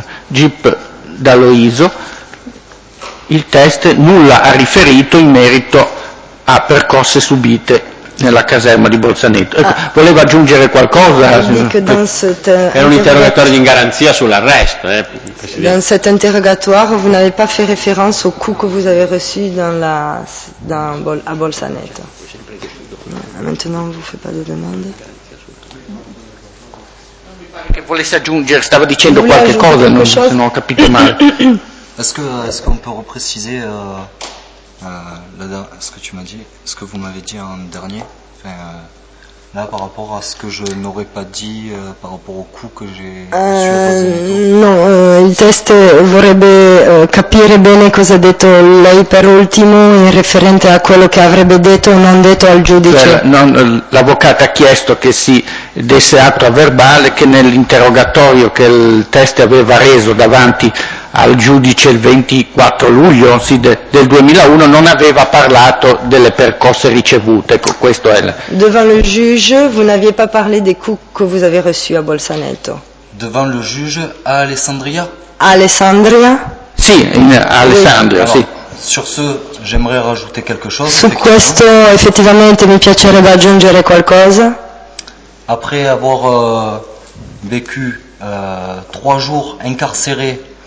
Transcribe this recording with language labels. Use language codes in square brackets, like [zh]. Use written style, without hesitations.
[it] GIP D'Aloiso. Il test nulla ha riferito in merito a percosse subite nella caserma di Bolzaneto. Ecco, volevo aggiungere qualcosa. Era un interrogatorio di garanzia sull'arresto, Presidente. [fr] Dans cet interrogatoire, vous n'avez pas fait référence au coup que vous avez reçu à Bolzaneto. Maintenant, vous ne faites pas de demande. [it] Non mi pare che volesse aggiungere, stava dicendo qualche cosa, se non ho capito male. [fr] Est-ce qu'on peut repréciser ce que tu m'as dit, ce que vous m'avez dit en dernier, là par rapport à ce que je n'aurais pas dit par rapport au coup que j'ai reçu à [it] Non, il test vorrebbe capire bene cosa ha detto lei per ultimo in referente a quello che avrebbe detto o non detto al giudice. L'avvocato ha chiesto che si desse atto a verbale che nell'interrogatorio che il test aveva reso davanti al giudice il 24 luglio del 2001 non aveva parlato delle percosse ricevute. Ecco, questo è. [fr] Devant le juge, vous n'aviez pas parlé des coups que vous avez reçus à Bolzaneto. Devant le juge, à Alessandria. [it] Alessandria. Sì, Alessandria. Sì. [fr] Sur ce, j'aimerais rajouter quelque chose. [it] Su questo, effettivamente, mi piacerebbe aggiungere qualcosa. [fr] Après avoir vécu trois jours incarcéré.